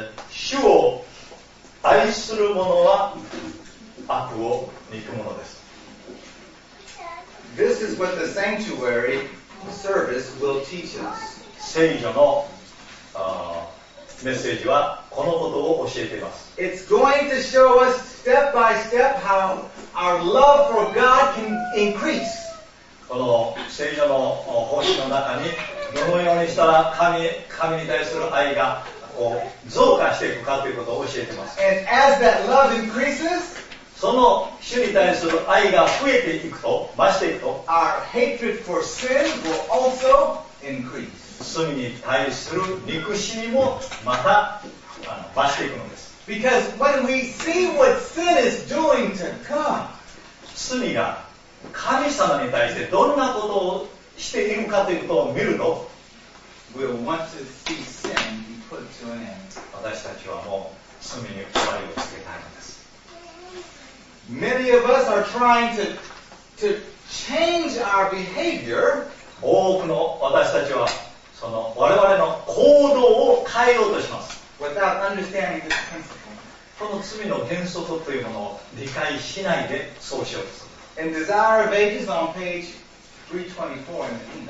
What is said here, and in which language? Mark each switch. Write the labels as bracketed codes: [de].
[ja] 主を愛する者は悪を憎むのです。 [en] This is what the sanctuary service will teach us. [ja] 聖所のメッセージはこのことを教えています。 [en] It's going to show us step by step how our love for God can increase. [ja] この聖書の奉仕の中にどのようにしたら神に対する愛がこう増加していくかということを教えています。 [en] And as that love increases, [ja] その主に対する愛が増えていくと、増していくと、 [en] our hatred for sin will also increase. [ja] 罪に対する憎しみもまた増していくのです。 [en] Because when we see what sin is doing to God, [ja] 罪が神様に対してどんなことをしているかということを見ると、 [en] we'll want to see sin be put to an end. [ja] 私たちはもう罪に終わりをつけたいのです。 [en] Many of us are trying to change our behavior. [ja] 多くの私たちはその我々の行動を変えようとします。 [en] Without understanding this principle. [ja] この罪の原則というものを理解しないでそうしようとする。 [en] In Desire of Ages on page 324 in the